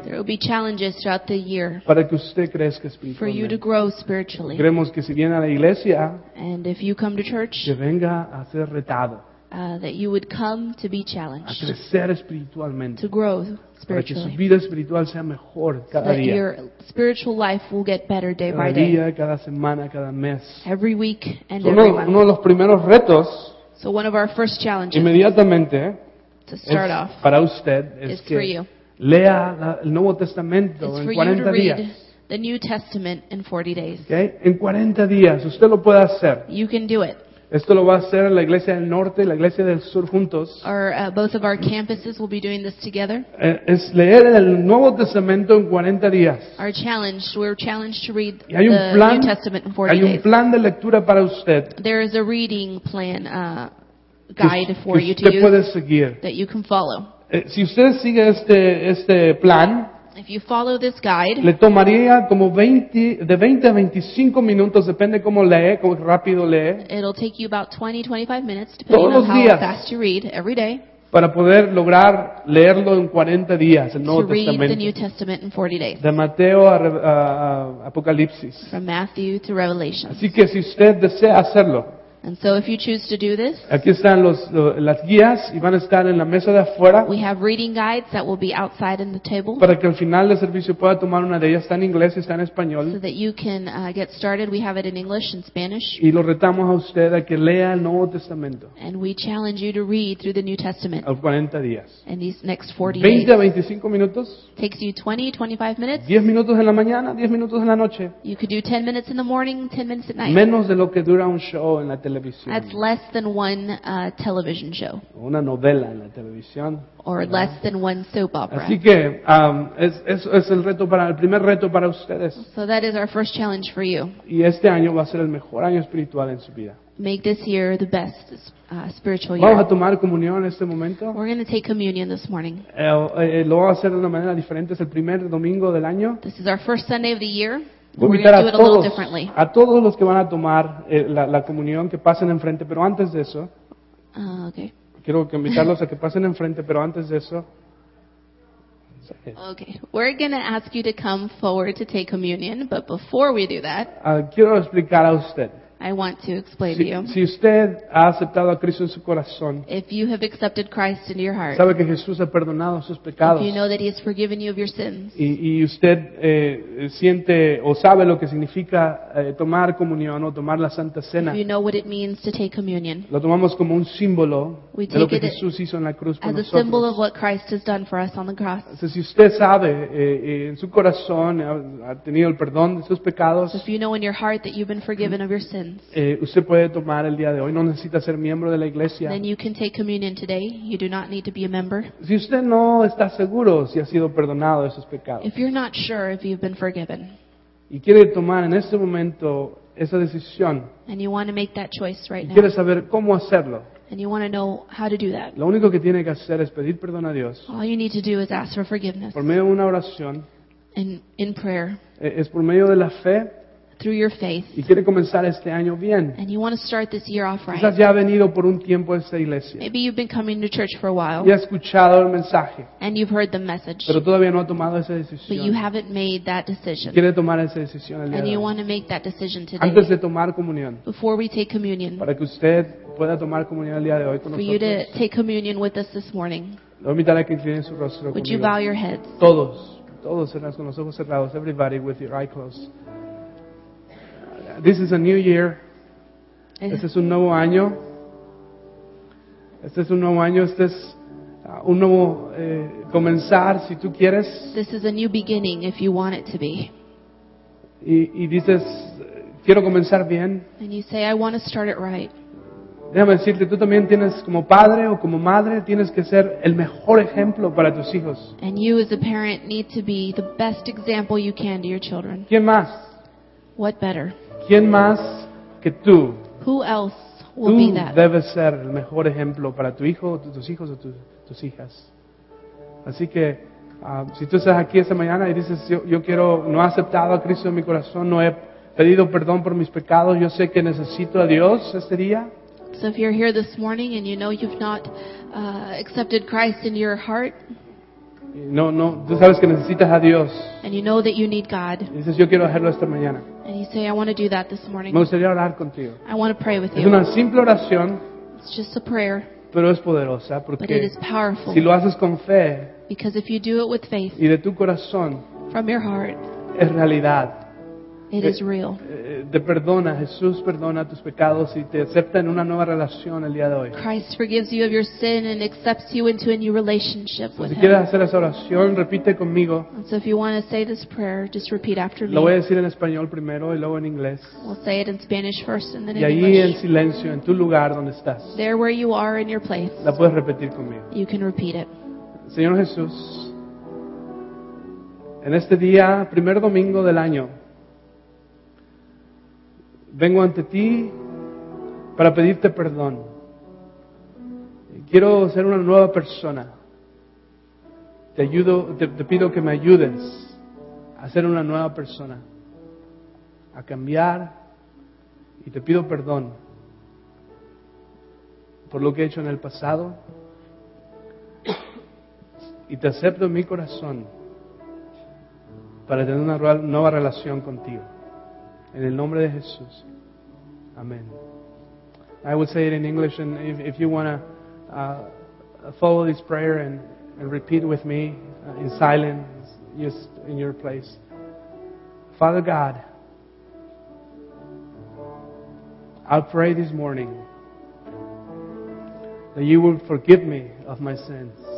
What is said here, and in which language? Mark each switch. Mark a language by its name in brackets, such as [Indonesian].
[English] There will be challenges throughout the year. [Spanish] Para que usted crezca espiritualmente. [English] For you to grow spiritually. [Spanish] Queremos que si viene a la iglesia, [English] and if you come to church, [Spanish] que venga a ser retado. [English] That you would come to be challenged. [Spanish] A crecer espiritualmente. [English] To grow spiritually. [Spanish] Para que su vida espiritual sea mejor cada día. [English] So that your spiritual life will get better day by day. [Spanish] Cada día, cada semana, cada mes. [English] Every week and every month. [Spanish] Uno de los primeros retos. [English] So one of our first challenges. [Spanish] Inmediatamente. [English] To start off. [Spanish] Para usted. Es [English] for you. [Spanish] Lea el Nuevo Testamento en 40 días. [English] It's for you to read the New Testament in 40 days. [Spanish] Okay. En 40 días. Usted lo puede hacer. [English] You can do it. [Spanish] Esto lo va a hacer la Iglesia del Norte y la Iglesia del Sur juntos. [English] Both of our campuses will be doing this together. [Spanish] Es leer el Nuevo Testamento en 40 días. [English] Our challenge, we're challenged to read the New Testament in 40 days. [Spanish] Hay un plan de lectura para usted. [English] There is a reading plan guide for you to use. [Spanish] Que usted puede seguir. [English] That you can follow. [Spanish] Si usted sigue este plan, [English] if you follow this guide, [Spanish] le tomaría como 20 a 25 minutos, depende cómo lee, cómo rápido lee. [English] It'll take you about 20-25 minutes, depending on how fast you read every day. [Spanish] Para poder lograr leerlo en 40 días, el Nuevo Testamento. [English] To read the New Testament in 40 days. [Spanish] De Mateo a Apocalipsis. [English] From Matthew to Revelation. [Spanish] Así que si usted desea hacerlo, [English] And so if you choose to do this, [Spanish] aquí están las guías y van a estar en la mesa de afuera. [English] We have reading guides that will be outside in the table. [Spanish] Para que al final del servicio pueda tomar una de ellas, está en inglés y está en español. [English] So that you can get started, we have it in English and Spanish. [Spanish] Y lo retamos a usted a que lea el Nuevo Testamento. [English] And we challenge you to read through the New Testament. [Spanish] Por 40 días. [English] In these next 40 days. [Spanish] 20 a 25 minutos. [English] Takes you 20, 25 minutes. [Spanish] 10 minutos en la mañana, 10 minutos en la noche. [English] You could do 10 minutes in the morning, 10 minutes at night. [Spanish] Menos de lo que dura un show en la televisión. [English] That's less than one television show. [Spanish] Una novela en la televisión. [English] Or [Spanish] ¿verdad? [English] Less than one soap opera. [Spanish] Así que es el reto para el primer reto para ustedes. [English] So that is our first challenge for you. [Spanish] Y este año va a ser el mejor año espiritual en su vida. [English] Make this year the best spiritual year. [Spanish] Vamos a tomar comunión en este momento. [English] We're going to take communion this morning. [Spanish] Lo vamos a hacer de una manera diferente. Es el primer domingo del año. [English] This is our first Sunday of the year. [Spanish] Voy a invitar a todos los que van a tomar la comunión que pasen enfrente, pero antes de eso, quiero que invitarlos a que pasen enfrente, pero antes de eso. [English] Okay, we're going to ask you to come forward to take communion, but before we do that, [Spanish] quiero explicar a usted. [English] I want to explain to you. [Spanish] Si usted ha aceptado a Cristo en su corazón, [English] if you have accepted Christ into your heart, [Spanish] sabe que Jesús ha perdonado sus pecados, [English] if you know that He has forgiven you of your sins, [Spanish] y usted siente o sabe lo que significa tomar comunión o tomar la Santa Cena, [English] if you know what it means to take communion, [Spanish] lo tomamos como un símbolo de lo que Jesús hizo en la cruz por nosotros. [English] As a symbol of what Christ has done for us on the cross. [Spanish] Entonces, si usted sabe en su corazón ha tenido el perdón de sus pecados, [English] so if you know in your heart that you've been forgiven of your sins, [Spanish] usted puede tomar el día de hoy, no necesita ser miembro de la iglesia. [English] Then you can take communion today. You do not need to be a member. [Spanish] Si usted no está seguro si ha sido perdonado de sus pecados. [English] If you're not sure if you've been forgiven. [Spanish] Y quiere tomar en este momento esa decisión. [English] And you want to make that choice right now. [Spanish] Quiere saber cómo hacerlo. [English] And you want to know how to do that. [Spanish] Lo único que tiene que hacer es pedir perdón a Dios. [English] All you need to do is ask for forgiveness. [Spanish] Por medio de una oración. [English] In prayer. [Spanish] Es por medio de la fe. [English] Through your faith. [Spanish] Y quiere comenzar este año bien. [English] And you want to start this year off right. [Spanish] Quizás ya ha venido por un tiempo a esta iglesia. [English] Maybe you've been coming to church for a while. [Spanish] Y ha escuchado el mensaje. [English] And you've heard the message. [Spanish] Pero todavía no ha tomado esa decisión. [English] But you haven't made that decision. [Spanish] Y quiere tomar esa decisión el día [English] and [Spanish] de [English] you [Spanish] hoy. [English] Want to make that decision today. [Spanish] Antes de tomar comunión. [English] Before we take communion. [Spanish] Para que usted pueda tomar comunión el día de hoy con [English] for [Spanish] nosotros. [English] You to take communion with us this morning. [Spanish] Le voy a invitar a que incline su rostro [English] would [Spanish] conmigo. [English] You bow your heads? [Spanish] Todos cerrados con los ojos cerrados. [English] Everybody with your eyes closed. This is a new year. [Spanish] Este es un nuevo año. Este es un nuevo año. Este es un nuevo comenzar, si tú quieres. [English] This is a new beginning, if you want it to be. [Spanish] Y dices, quiero comenzar bien. [English] And you say, I want to start it right. [Spanish] Déjame decirte, tú también tienes como padre o como madre, tienes que ser el mejor ejemplo para tus hijos. [English] And you as a parent need to be the best example you can to your children. [Spanish] ¿Quién más? [English] What better? [Spanish] ¿Quién más que tú? [English] Who else will [Spanish] tú [English] be that? [Spanish] Debes ser el mejor ejemplo para tu hijo, tus hijos o tus hijas. Así que, si tú estás aquí esta mañana y dices, yo quiero, no he aceptado a Cristo en mi corazón, no he pedido perdón por mis pecados, yo sé que necesito a Dios este día. [English] So if you're here this morning and you know you've not accepted Christ in your heart, [Spanish] No, tú sabes que necesitas a Dios. [English] And you know that you need God. [Spanish] Y dices, yo quiero hacerlo esta mañana. [English] And you say, I want to do that this morning. [Spanish] Me gustaría orar contigo. [English] I want to pray with [Spanish] es [English] you. [Spanish] Es una simple oración. [English] It's just a prayer. [Spanish] Pero es poderosa porque [English] but it is powerful. [Spanish] Si lo haces con fe. [English] Because if you do it with faith. [Spanish] Y de tu corazón. [English] From your heart. [Spanish] Es realidad. [English] It is real. [Spanish] Te perdona, Jesús perdona tus pecados y te acepta en una nueva relación el día de hoy. [English] Christ forgives you of your sin and accepts you into a new relationship with [Spanish] si [English] him. [Spanish] Si quieres hacer esa oración, repite conmigo. [English] So if you want to say this prayer, just repeat after me. [Spanish] Lo voy a decir en español primero y luego en inglés. [English] We'll say it in Spanish first and then in [Spanish] y allí [English] English. [Spanish] En silencio, en tu lugar donde estás. [English] There where you are in your place. [Spanish] La puedes repetir conmigo. [English] You can repeat it. [Spanish] Señor Jesús, en este día, primer domingo del año, vengo ante ti para pedirte perdón. Quiero ser una nueva persona. Te pido que me ayudes a ser una nueva persona, a cambiar, y te pido perdón por lo que he hecho en el pasado, y te acepto en mi corazón para tener una nueva relación contigo. En el nombre de Jesús. Amén. [English] I would say it in English, and if you want to follow this prayer and repeat with me in silence, just in your place. Father God, I pray this morning that you will forgive me of my sins.